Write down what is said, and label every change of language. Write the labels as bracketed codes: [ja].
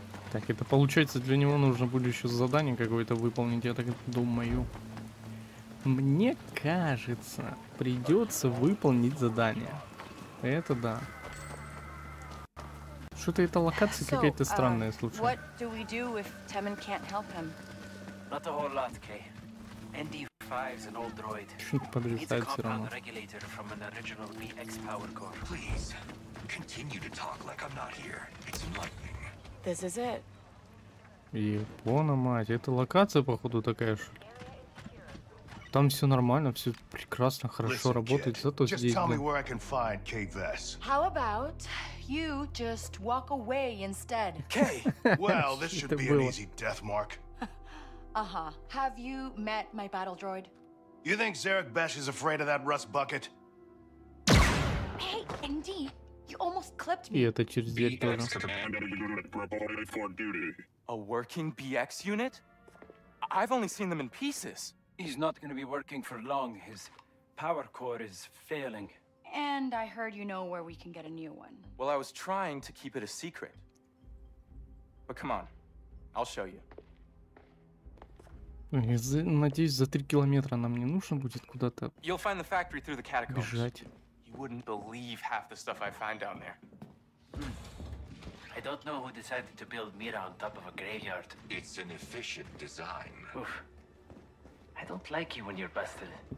[ru] Так, это получается, для него нужно будет еще задание какое-то выполнить, я так думаю. Мне кажется, придется выполнить задание. Это да. Что-то эта локация какая-то странная, слушай. [en] What do we do if Temin can't help him? Not a whole lot, Kay. ND. [ru] Что-то подрезает все равно. [en] Please, continue to talk like I'm not here. It's enlightening. This is it. [ru] Япона мать, это локация походу такая же. Там все нормально, все прекрасно, хорошо [en] Listen, [ru] работает, [en] kid, [ru] зато [en] just [ru] здесь. [en] Tell me where I can find Kate Vess. How about you just walk away instead? Kay. Well, this should be an easy death mark. Uh-huh. Have you met my battle droid? You think Zarek Besh is afraid of that rust bucket? Hey, Indy, you almost clipped me. [ru] И это через дверь тоже. [en] A working BX unit? I've only seen them in pieces. He's not going to be working for long. His power core is failing. And I heard you know where we can get a new one. Well, I was trying to keep it a secret. But come on, I'll show you. [ru] Надеюсь, за 3 километра нам не нужно будет куда-то бежать. [en] You wouldn't believe half the stuff I find down there. I don't know who decided to build Mira on top of a graveyard. It's an efficient design. Oof. I don't like you when you're busted.